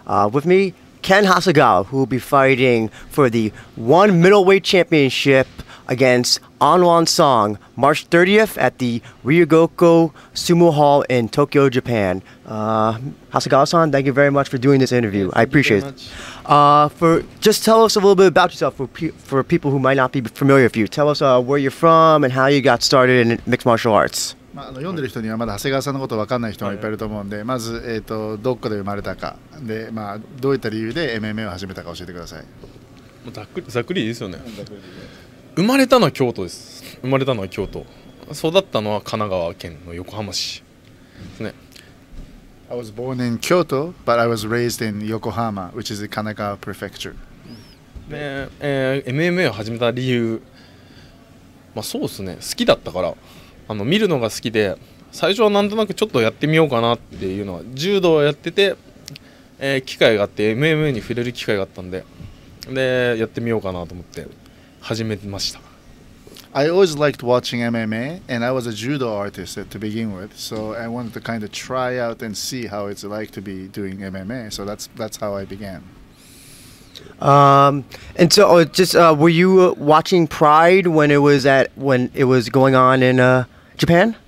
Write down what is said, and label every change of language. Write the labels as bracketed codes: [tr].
[en] With me, Ken Hasegawa, who will be fighting for the one middleweight championship against Anwan Song, March 30th at the Ryogoku Sumo Hall in Tokyo, Japan. Hasegawa-san, thank you very much for doing this interview. Yeah, I appreciate it. Just tell us a little bit about yourself for people who might not be familiar with you. Tell us where you're from and how you got started in mixed martial arts. [ja] まあ、読んでる人にはまだ長谷川さんのことわかんない人もいっぱいいると思うんで、まず、どこで生まれたかで、まあ、どういった理由で MMA を始めたか教えてください。もうざっくりですよね。生まれたのは京都です。生まれたのは京都、育ったのは神奈川県の横浜市ですね。 [en] I was born in Kyoto, but I was raised in Yokohama, which is Kanagawa Prefecture. [ja] MMA を始めた理由、まあそうですね、好きだったから、見るのが好きで、最初はなんとなくちょっとやってみようかなっていうのは、柔道をやってて、機会があって、MMA に触れる機会があったんで、で、やってみようかなと思って始めました。 [en] I always liked watching MMA, and I was a judo artist to begin with, so I wanted to kind of try out and see how it's like to be doing MMA, so that's how I began. Were you watching Pride when it was going on in Japan?